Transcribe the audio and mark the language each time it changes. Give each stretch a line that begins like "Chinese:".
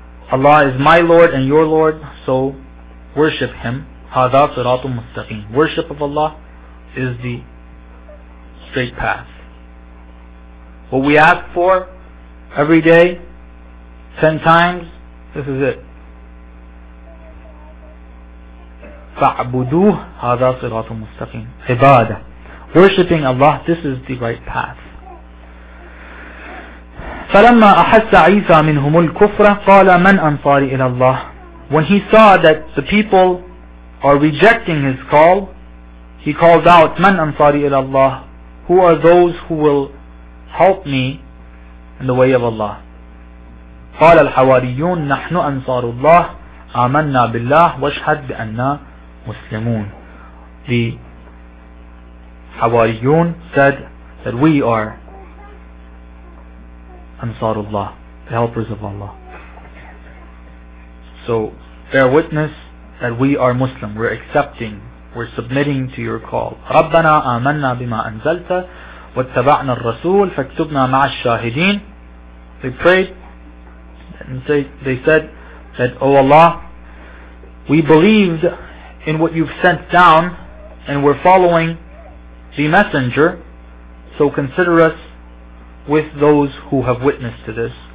English: Allah is my Lord and your Lord, so worship him.
Arabic: هذا صراط مستقيم.
English: Worship of Allah is the straight path. What we ask for every day, 10 times, this is it.
Arabic: فاعبدوه هذا صراط مستقيم. عبادة.
English: Worshipping Allah, this is the right path.
Arabic: فلما أحس عيسى منهم الكفر قال من أنصاري إلى الله.
English: When he saw that the people are rejecting his call, he called out,
Arabic: من أنصاري إلى الله.
English: Who are those who will help me in the way of Allah?
Arabic: قال الحواريون نحن أنصار الله آمنا بالله واشهد بأننا مسلمون.
English: The حواريون said that we are Ansarullah, the helpers of Allah. So bear witness that we are Muslim. We're accepting, we're submitting to your call.
Arabic: ربنا آمنا بما أنزلت واتبعنا الرسول فاكتبنا مع الشاهدين.
English: They prayed and they said that, O Allah, we believed in what you've sent down and we're following the messenger, so consider us with those who have witnessed to this.